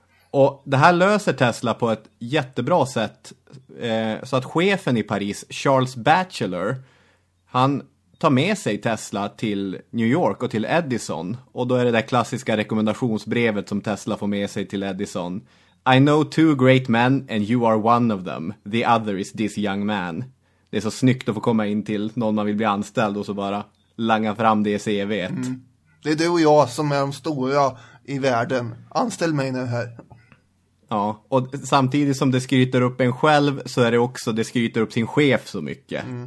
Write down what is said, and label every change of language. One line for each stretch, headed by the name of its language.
Swedish: Och det här löser Tesla på ett jättebra sätt. Så att chefen i Paris, Charles Batchelor, han tar med sig Tesla till New York och till Edison. Och då är det där klassiska rekommendationsbrevet som Tesla får med sig till Edison.
English: I know two great men and you are one of them. The other is this young man.
Swedish: Det är så snyggt att få komma in till någon man vill bli anställd och så bara langa fram det CV:et. Mm. Det är du och jag som är de stora i världen. Anställ mig nu här. Ja, och samtidigt som det skryter upp en själv så är det också det skryter upp sin chef så mycket.